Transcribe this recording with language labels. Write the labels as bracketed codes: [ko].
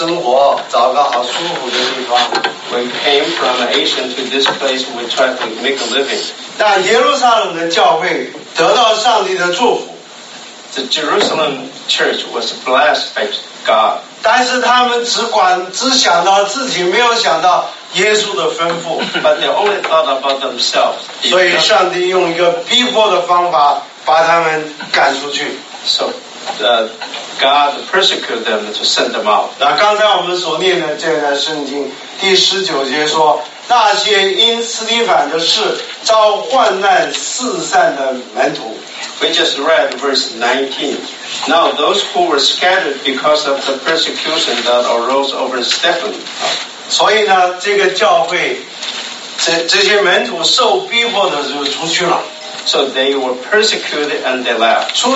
[zh] 我们从亚洲来到美洲来讨生活，找个好舒服的地方。 [en] When came from Asia to this place, we tried to make a living. [zh] 但耶路撒冷的教会得到上帝的祝福。 [en] The Jerusalem church was blessed by God. [zh] 但是他们只想到自己，没有想到耶稣的吩咐。 [en] But they only thought about themselves. [zh] 所以上帝用一个逼迫的方法。把他们赶出去。 [en] So God persecuted them to send them out. [zh] 那刚才我们所念的这段圣经, 第19节说, 那些因斯蒂凡的事遭患难四散的门徒。 [en] We just read verse 19. Now those who were scattered because of the persecution that arose over Stephen. [zh] 所以呢, 这个教会, 这些门徒受逼迫的就出去了。 [en] So they were persecuted and they left.